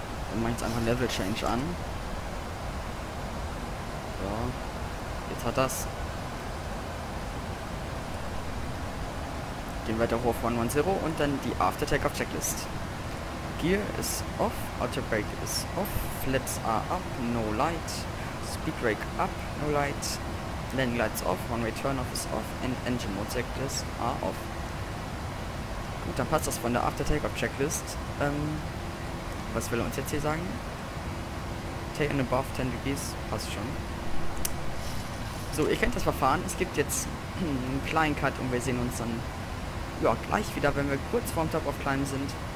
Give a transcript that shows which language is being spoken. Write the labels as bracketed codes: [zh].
[de] Dann mache ich jetzt einfach Level Change an. So. Jetzt hat das. Gehen weiter hoch auf 110 und dann die After Takeoff Checklist. [en] Gear ist off, Auto Brake ist off, Flaps are up, no light, Speed Brake up, no light, Landing Lights off, Runway Turn off is off and Engine Mode Checklist are off. [de] Gut, dann passt das von der After Takeoff Checklist. Was will er uns jetzt hier sagen? [en] Take and above 10 degrees, [de] passt schon. So, ihr kennt das Verfahren, es gibt jetzt einen kleinen Cut und wir sehen uns dann ja, gleich wieder, wenn wir kurz vorm Top of Climb sind.